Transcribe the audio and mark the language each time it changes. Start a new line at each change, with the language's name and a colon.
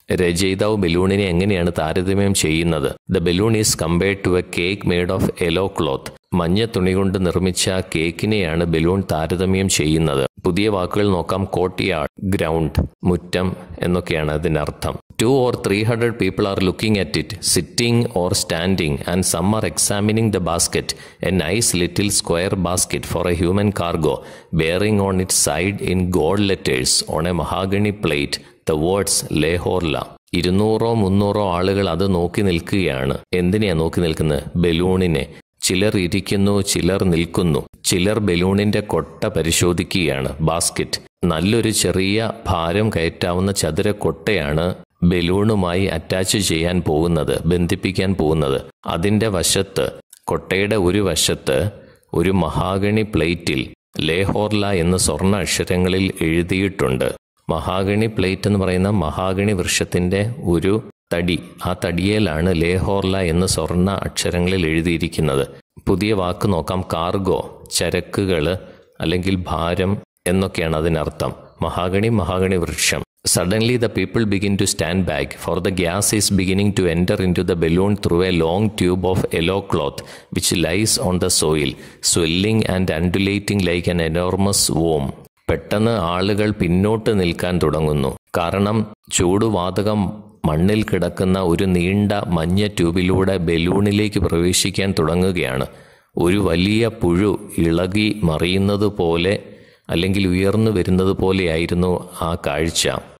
Malayalam: രചയിതാവ് ബലൂണിനെ എങ്ങനെയാണ് താരതമ്യം ചെയ്യുന്നത്?
English: The balloon is compared to a cake made of yellow cloth.
Malayalam: മഞ്ഞ തുണി കൊണ്ട് നിർമ്മിച്ച കേക്കിനെയാണ് ബലൂൺ താരതമ്യം ചെയ്യുന്നത്. പുതിയ വാക്കുകൾ നോക്കാം. കോട്ട് യാർഡ്, ഗ്രൗണ്ട്, മുറ്റം എന്നൊക്കെയാണ് അതിനർത്ഥം.
English: 200 or 300 people are looking at it, sitting or standing, and some are examining the basket, a nice little square basket for a human cargo, bearing on its side in gold letters on a mahogany plate the words LEHORLA. 200 or 300 people
Malayalam: അത് നോക്കി നിൽക്കുകയാണ്. എന്തിനെയാ നോക്കി നിൽക്കുന്നത്? ബലൂണിനെ. ചിലർ ഇരിക്കുന്നു, ചിലർ നിൽക്കുന്നു, ചിലർ ബലൂണിന്റെ കൊട്ട പരിശോധിക്കുകയാണ്. ബാസ്കറ്റ്, നല്ലൊരു ചെറിയ ഭാരം കയറ്റാവുന്ന ചതുര കൊട്ടയാണ് ബലൂണുമായി അറ്റാച്ച് ചെയ്യാൻ പോകുന്നത്, ബന്ധിപ്പിക്കാൻ പോകുന്നത്. അതിൻ്റെ വശത്ത്, കൊട്ടയുടെ ഒരു വശത്ത്, ഒരു മഹാഗണി പ്ലേറ്റിൽ ലേഹോർല എന്ന് സ്വർണ അക്ഷരങ്ങളിൽ എഴുതിയിട്ടുണ്ട്. മഹാഗണി പ്ലേറ്റ് എന്ന് പറയുന്ന മഹാഗണി വൃക്ഷത്തിൻ്റെ ഒരു തടി, ആ തടിയേലാണ് ലേഹോർല എന്ന് സ്വർണ അക്ഷരങ്ങളിൽ എഴുതിയിരിക്കുന്നത്. പുതിയ വാക്ക് നോക്കാം. കാർഗോ, ചരക്കുകൾ അല്ലെങ്കിൽ ഭാരം എന്നൊക്കെയാണ് അതിനർത്ഥം. മഹാഗണി, മഹാഗണി വൃക്ഷം.
English: Suddenly the people begin to stand back, for the gas is beginning to enter into the balloon through a long tube of yellow cloth which lies on the soil, swelling and undulating like an enormous womb.
Malayalam: പെട്ടെന്ന് ആളുകൾ പിന്നോട്ട് നിൽക്കാൻ തുടങ്ങുന്നു, കാരണം ചൂടുവാതകം മണ്ണിൽ കിടക്കുന്ന ഒരു നീണ്ട മഞ്ഞ ട്യൂബിലൂടെ ബലൂണിലേക്ക് പ്രവേശിക്കാൻ തുടങ്ങുകയാണ്. ഒരു വലിയ പുഴു ഇളകി മറിയുന്നത് പോലെ അല്ലെങ്കിൽ ഉയർന്നു വരുന്നത് പോലെയായിരുന്നു ആ കാഴ്ച.